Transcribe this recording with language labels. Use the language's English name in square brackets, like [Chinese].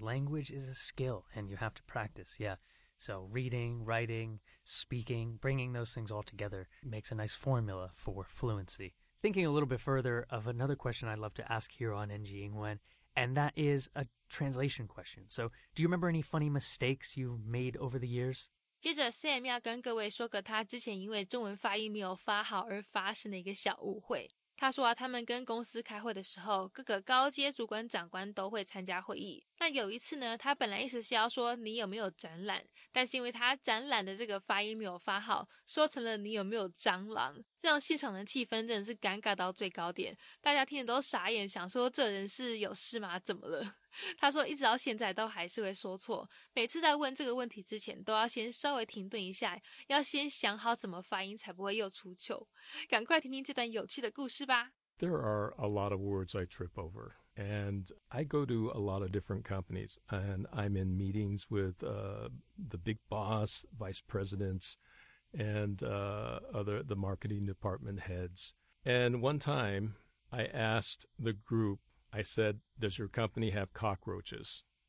[English] Language is a skill, and you have to practice, yeah. So reading, writing, speaking, bringing those things all together makes a nice formula for fluency. Thinking a little bit further of another question I'd love to ask here on NG Yingwen, and that is a translation question. So do you remember any funny mistakes you've made over the years? [Chinese] 接着 Sam 要跟各位说个他之前因为中文发音没有发好而发生的一个小误会。他说啊，他们跟公司开会的时候，各个高阶主管长官都会参加会议。那有一次呢，他本来意思是要说你有没有展览，但是因为他展览的这个发音没有发好，说成了你有没有蟑螂，让现场的气氛真的是尴尬到最高点，大家听得都傻眼，想说这人是有事吗？怎么了？他说一直到现在都还是会说错，每次在问这个问题之前都要先稍微停顿一下，要先想好怎么发音才不会又出糗。赶快听听这段有趣的故事吧。 [English] There are a lot of words I trip over, and I go to a lot of different companies, and I'm in meetings with the big boss, vice presidents, and the marketing department heads. And one time I asked the group,I said, does your company have cockroaches?